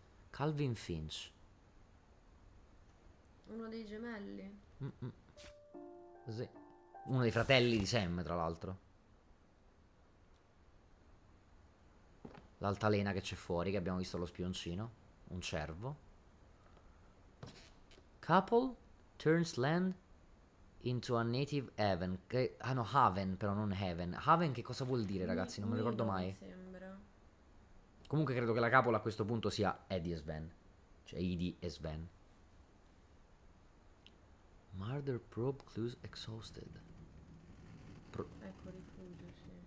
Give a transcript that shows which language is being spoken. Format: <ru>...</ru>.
<it>Calvin Finch. Uno dei gemelli. Sì. Uno dei fratelli di Sam, tra l'altro. L'altalena che c'è fuori, che abbiamo visto lo spioncino. Un cervo.</it> <en>Couple turns land into a native haven.</en> <it>Ah no, haven, però non heaven. Haven che cosa vuol dire, ragazzi? Non me lo ricordo mai. Comunque credo che la capola a questo punto sia Eddie e Sven. Cioè Edie e Sven.</it> <en>Murder probe clues exhausted.</en> <it>Ecco rifugio, sì.</it>